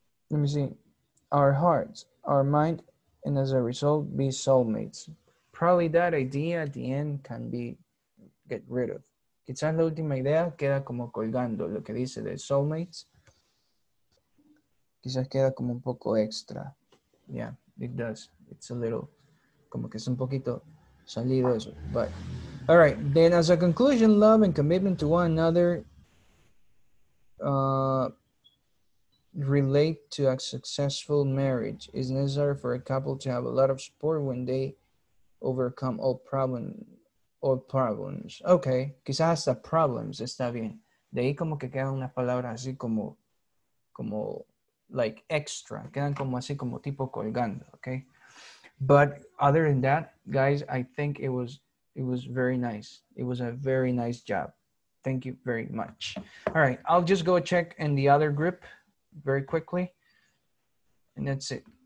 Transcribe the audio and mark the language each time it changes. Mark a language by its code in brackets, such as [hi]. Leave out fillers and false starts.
[en] Let me see, our hearts, our mind, and as a result, be soulmates. Probably that idea at the end can be get rid of, OK? [es] Quizás la última idea queda como colgando lo que dice de soulmates. Quizás queda como un poco extra. [en] Yeah, it does. It's a little, [es] como que es un poquito salido eso. [en] But, all right, then as a conclusion, love and commitment to one another relate to a successful marriage. It's necessary for a couple to have a lot of support when they overcome all problems. All problems. Okay, [es] quizás hasta problems está bien. De ahí como que quedan unas palabras así como, como, [en] like extra. [es] Quedan como así como tipo colgando, okay? [en] But other than that, guys, I think it was very nice. It was a very nice job. Thank you very much. All right, I'll just go check in the other group very quickly. And that's it.